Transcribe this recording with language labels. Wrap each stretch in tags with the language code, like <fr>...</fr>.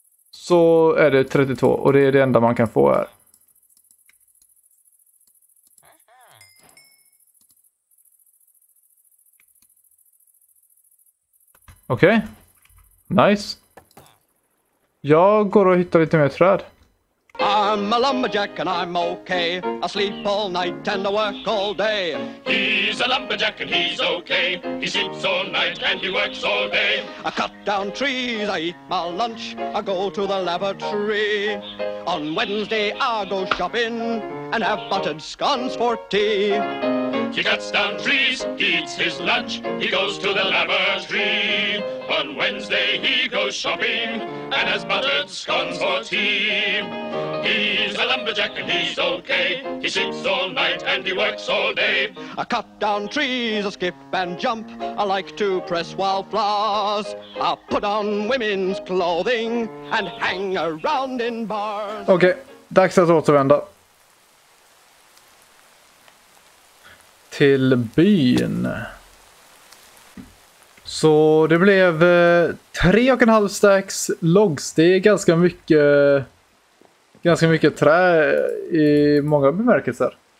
<sv>Så är det 32 och det är det enda man kan få här. Okej. Okay. Nice. Jag går och hittar lite mer träd.</sv> <en>I'm a lumberjack and I'm okay. I sleep all night and I work all day. He's a lumberjack and he's okay. He sleeps all night and he works all day. I cut down trees, I eat my lunch. I go to the laboratory. On Wednesday I go shopping and have buttered scones for tea. He cuts down trees, he eats his lunch. He goes to the laboratory. On Wednesday he goes shopping and has buttered scones for tea. He's a lumberjack and he's okay. He sleeps all night and he works all day. I cut down trees, I skip and jump. I like to press wildflowers. I put on women's clothing and hang around in bars.</en> <sv>Okej, dags att återvända. Till byn. Så det blev 3,5 stacks logs. Det är ganska mycket... Ganska mycket trä i många bemärkelser.</sv>